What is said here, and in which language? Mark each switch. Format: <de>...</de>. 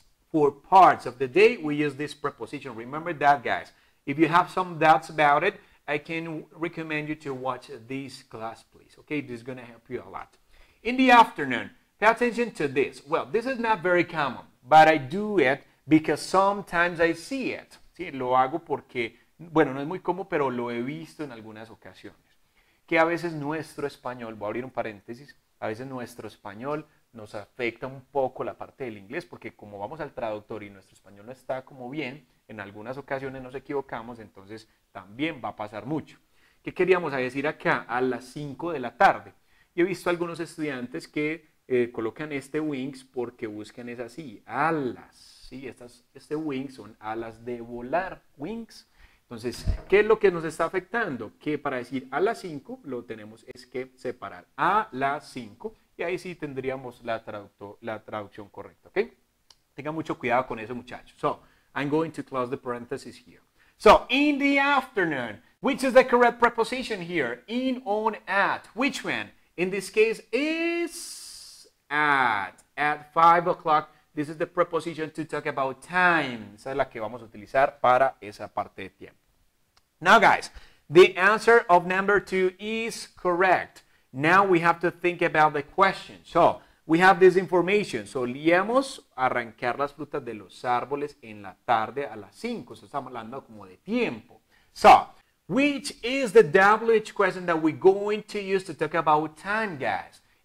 <en>For parts of the day, we use this preposition. Remember that, guys. If you have some doubts about it, I can recommend you to watch this class, please. Okay, this is going to help you a lot. In the afternoon, pay attention to this. Well, this is not very common, but I do it because sometimes I see it.</en> <es>¿Sí? Lo hago porque, bueno, no es muy común, pero lo he visto en algunas ocasiones. Que a veces nuestro español, voy a abrir un paréntesis, a veces nuestro español nos afecta un poco la parte del inglés, porque como vamos al traductor y nuestro español no está como bien, en algunas ocasiones nos equivocamos, entonces también va a pasar mucho. ¿Qué queríamos decir acá? A las 5 de la tarde. Yo he visto algunos estudiantes que colocan este wings porque buscan es así, alas. Sí, este wings son alas de volar, wings. Entonces, ¿qué es lo que nos está afectando? Que para decir a las 5 lo tenemos es que separar a las 5 y ahí sí tendríamos la traducción correcta, ¿ok? Tengan mucho cuidado con eso, muchachos.</es> <en>So, I'm going to close the parentheses here. So, in the afternoon, which is the correct preposition here? In, on, at. Which one? In this case, is at 5 o'clock. This is the preposition to talk about time.</en> <es>Esa es la que vamos a utilizar para esa parte de tiempo.</es> <en>Now, guys, the answer of number two is correct. Now, we have to think about the question. So, we have this information.</en> <es>Solíamos arrancar las frutas de los árboles en la tarde a las 5. O sea, estamos hablando como de tiempo.</es> <en>So, which is the WH question that we're going to use to talk about time, guys?</en>